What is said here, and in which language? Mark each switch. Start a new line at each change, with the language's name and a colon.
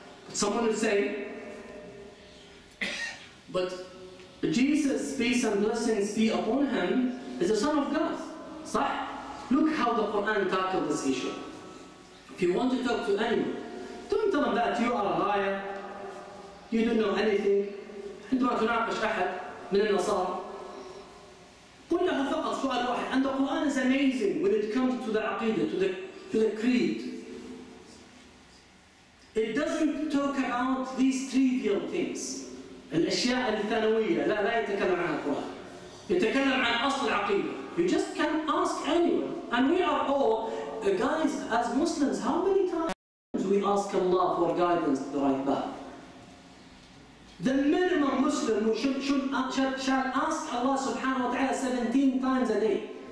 English: Someone will say, but Jesus, peace and blessings be upon him, is the son of God. صح? Look how the Quran tackled this issue. If you want to talk to anyone, don't tell them that you are a liar, you don't know anything.
Arabic: عندما تناقش أحد من النصارى قل له فقط سؤال واحد.
English: And the Quran is amazing when it comes to the aqidah, to the creed. It doesn't talk about these trivial things.
Arabic: الأشياء الثانوية لا يتكلم عن القرآن. يتكلم عن أصل العقيدة.
English: You just can ask anyone. And we are all, guys, as Muslims, how many times we ask Allah for guidance to the right path? The minimum Muslim shall ask Allah subhanahu wa ta'ala 17 times a day.